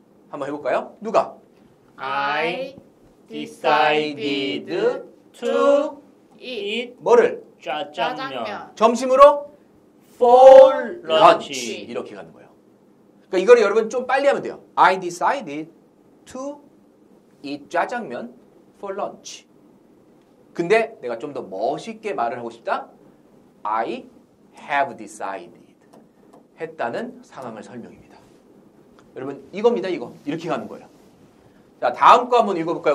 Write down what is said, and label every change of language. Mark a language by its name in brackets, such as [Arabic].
[Korean] 한번 해볼까요? 누가? [English] I decided to eat [Korean] 뭐를? 짜장면. 점심으로? [English] For lunch. [Korean] 이렇게 가는 거예요. 그러니까 이거를 여러분 좀 빨리 하면 돼요. [English] I decided to eat 짜장면 for lunch. [Korean] 근데 내가 좀 더 멋있게 말을 하고 싶다? [English] I have decided. [Korean] 했다는 상황을 설명입니다. 여러분 이겁니다. 이거. 이렇게 가는 거예요. 자, 다음 거 한번 읽어볼까요?